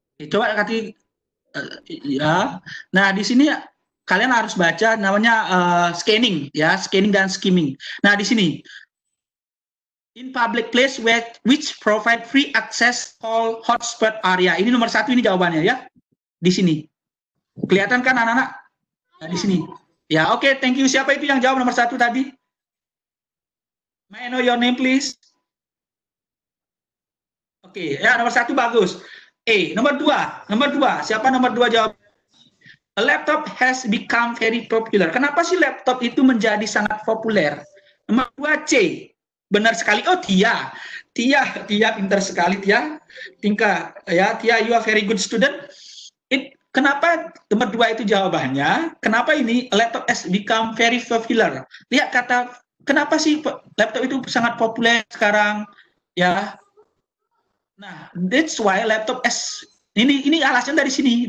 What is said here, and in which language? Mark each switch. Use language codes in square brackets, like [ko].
[id] Coba kata, ya. Nah, di sini kalian harus baca namanya scanning, ya. Scanning dan skimming. Nah, di sini. [en] In public place which provide free access call hotspot area. [id] Ini nomor satu, ini jawabannya, ya. Di sini. Kelihatan kan anak-anak? Nah, di sini. Ya, oke, [en] okay, thank you. [id] Siapa itu yang jawab nomor satu tadi? [en] May I know your name, please? [id] Oke, okay, ya, nomor satu bagus. Nomor dua. Siapa nomor dua jawab? [en] A laptop has become very popular. [id] Kenapa sih laptop itu menjadi sangat populer? Nomor dua, C. Benar sekali. Oh, Tia pintar sekali, Tia. [en] Tingkah, ya, Tia, you are very good student. [id] Kenapa nomor dua itu jawabannya? Kenapa ini [en] laptop has become very popular? [id] Lihat kata, kenapa sih laptop itu sangat populer sekarang, ya? Nah, [en] that's why laptop has, [id] ini alasan dari sini.